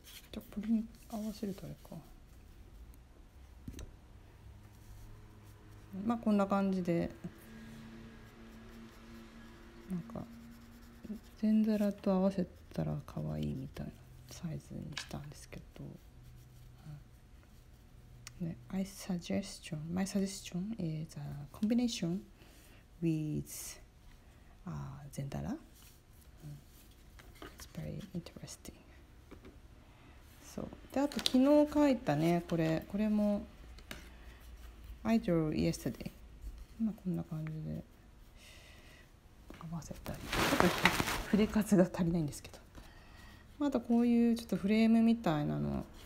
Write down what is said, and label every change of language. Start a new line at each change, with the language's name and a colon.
Japanese: じゃあこれに合わせるとあれか、まあこんな感じで、なんか全皿と合わせたら可愛いみたいなサイズにしたんですけど、ね、
English: I suggestion, my suggestion is a combination with Zendara. It's very interesting.
Japanese: So, で、あと昨日書いたね、これも
English: I drew yesterday.
Japanese: 今こんな感じで合わせたり、ちょっと筆数が足りないんですけど、あとこういうちょっとフレームみたいなの